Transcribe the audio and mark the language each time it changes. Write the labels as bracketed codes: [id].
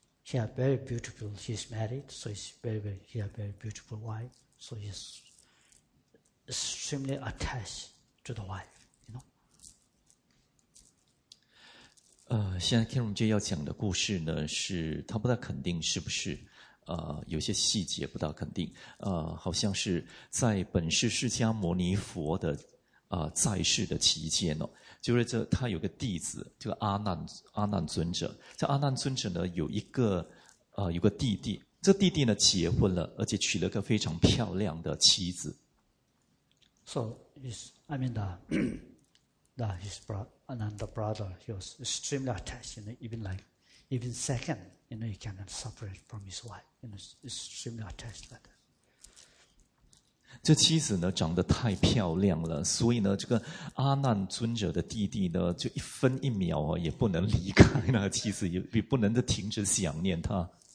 [en] She has very beautiful, she's married, so she's very, very, she has very beautiful wife, so she's extremely attached to the wife, you know. [zh] 现在 Karen 姐要讲的故事呢，是她不太肯定是不是有些细节不大肯定，好像是在本是释迦牟尼佛的在世的期间哦，就是这他有个弟子，就阿难尊者。这阿难尊者呢，有个弟弟，这弟弟呢结婚了，而且娶了个非常漂亮的妻子。 [en] So his, I mean that his brother, Ananda brother, he was extremely attached, you know, even like even second, you know, he cannot separate from his wife. And it's extremely attached like that. [zh] 这妻子呢长得太漂亮了，所以呢这个阿难尊者的弟弟呢就一分一秒啊也不能离开那个妻子，也不能的停止想念他。